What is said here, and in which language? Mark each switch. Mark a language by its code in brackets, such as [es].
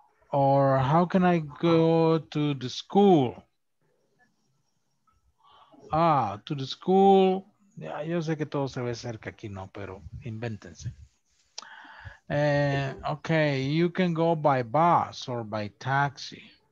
[en] Or how can I go to the school? Ah, to the school. [es] Yeah, yo sé que todo se ve cerca aquí, no, pero invéntense. [en] Okay, you can go by bus or by taxi.